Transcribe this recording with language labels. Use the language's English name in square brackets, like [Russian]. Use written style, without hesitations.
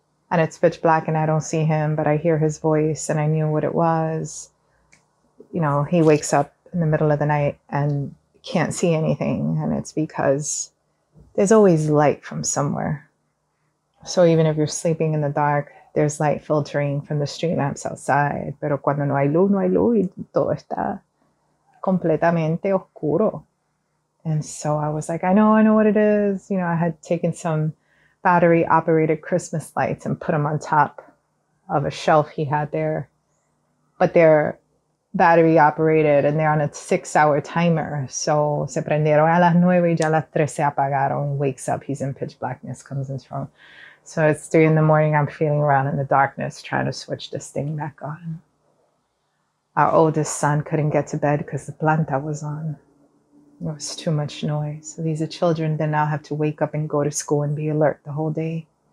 [English] And it's pitch black and I don't see him, but I hear his voice and I knew what it was. You know, he wakes up in the middle of the night and can't see anything. And it's because there's always light from somewhere. So even if you're sleeping in the dark, there's light filtering from the street lamps outside. [Spanish] Pero cuando no hay luz y todo está completamente oscuro. [English] And so I was like, I know what it is. You know, I had taken some battery-operated Christmas lights and put them on top of a shelf he had there. But they're battery-operated and they're on a 6-hour timer. [Spanish] So se prendieron a las 9 y ya las 3 se apagaron. [English] Wakes up, he's in pitch blackness, comes in strong. So it's 3 in the morning, I'm feeling around in the darkness trying to switch this thing back on. Our oldest son couldn't get to bed because the planta was on. It was too much noise. So these are children that now have to wake up and go to school and be alert the whole day.